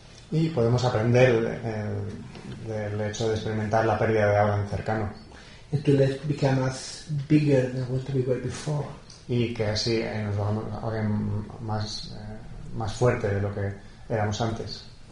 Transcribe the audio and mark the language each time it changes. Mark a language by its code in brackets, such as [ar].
[es] Y podemos aprender del hecho de experimentar la pérdida de alguien cercano. [en] And to let become us bigger than what we were before. [es] Y que así nos hagamos alguien más más fuerte de lo que éramos antes.